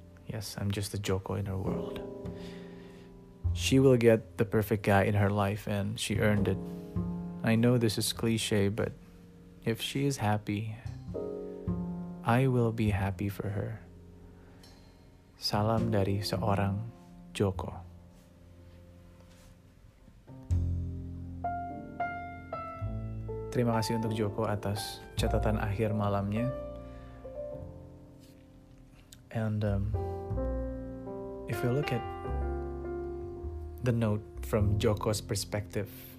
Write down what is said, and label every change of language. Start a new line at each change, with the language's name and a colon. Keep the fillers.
English: Yes, I'm just a Joko in her world. she will get the perfect guy in her life and she earned it. I know this is cliche, but if she is happy, I will be happy for her.
Indonesian: Salam dari seorang Joko. Terima kasih untuk Joko atas catatan akhir malamnya.
English: And um, if you look at the note from Joko's perspective.